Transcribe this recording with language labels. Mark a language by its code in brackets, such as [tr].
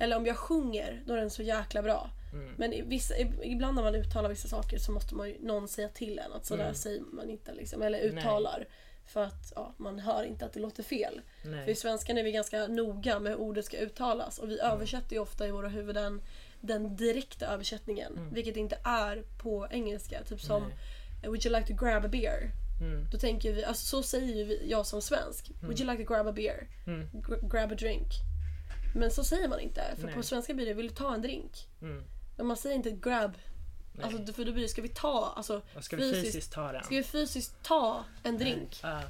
[sv] Eller om jag sjunger, då är den så jäkla bra. Men ibland när man uttalar vissa saker så måste man ju någon säga till en att sådär säger man inte liksom, eller uttalar. Nej. För att ja, man hör inte att det låter fel. Nej. För i svenskan är vi ganska noga med hur ordet ska uttalas. Och vi översätter ju ofta i våra huvuden den direkta översättningen. Mm. Vilket inte är på engelska. Typ som, [en] would you like to grab a beer? Mm. [sv] Då tänker vi, alltså så säger ju jag som svensk. [en] Would you like to grab a beer? Grab a drink. [sv] Men så säger man inte. För på svenska blir det, vill du ta en drink? Men man säger inte grab. Alltså, för då blir det, ska vi ta, alltså, ska vi fysiskt ta den? Ska vi fysiskt ta en drink?